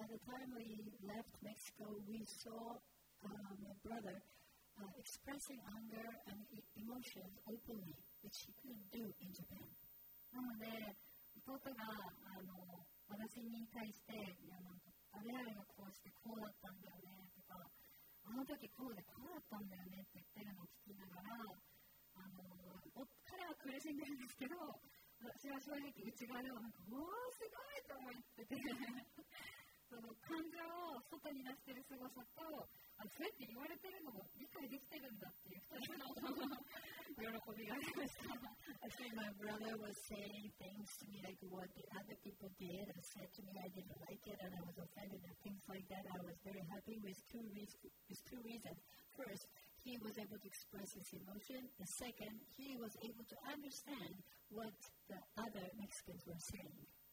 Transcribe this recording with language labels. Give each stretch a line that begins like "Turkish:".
English: By the time we left Mexico, we sawmy brother expressing anger and emotions openly, which he couldn't do in Japan.
Japanese: なので、弟が私に対して、誰々がこうしてこうだったんだよねとか、あの時こうでこうだったんだよねって言ってるのを聞きながら、彼は苦しんでるんですけど、私は正直内側ではなんか、おー、すごいと思ってて。その感情を外に出してる凄さと、それって言われてるのを理解できてるんだっていう二人の喜びがありました。
English: I think my brother was saying things to me like what the other people did and said to me I didn't like it and I was offended and things like that. I was very happy with two reasons. First, he was able to express his emotion. The second, he was able to understand what the other Mexicans were saying.